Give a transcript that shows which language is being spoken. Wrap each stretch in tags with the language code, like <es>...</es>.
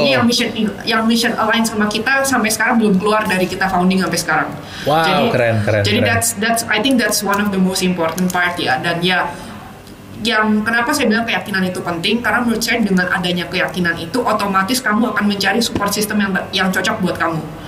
<id>Kayaknya yang mission aligned sama kita sampai sekarang belum keluar dari kita founding sampai sekarang. Wow, keren. Jadi</id> <en>that's I think that's one of the most important part ya.</en> <id>Dan ya, yang kenapa saya bilang keyakinan itu penting, karena menurut saya dengan adanya keyakinan itu otomatis kamu akan mencari support system yang cocok buat kamu.</id>